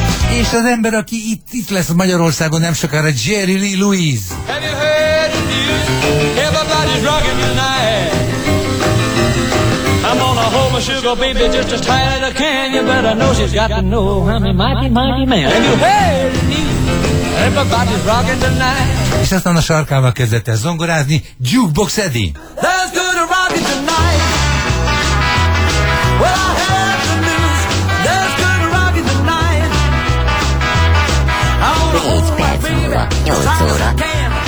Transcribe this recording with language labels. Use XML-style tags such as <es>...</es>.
<hu>És az ember, aki itt lesz Magyarországon nem sokára, Jerry Lee Lewis.</hu> <en>Have you heard the news? Everybody's rocking tonight. I'm gonna hold my sugar baby just as tight as I can. You better know she's got to know. I'm a mighty, mighty man. Have you heard the news? Everybody's rocking tonight.</en> <hu>És aztán a sarkával kezdett el zongorázni Jukebox Eddie.</hu> <en>Let's go to rockin' tonight. Well, I have the news. Let's go to rockin' tonight. I wanna hold my baby as long as I can.</en>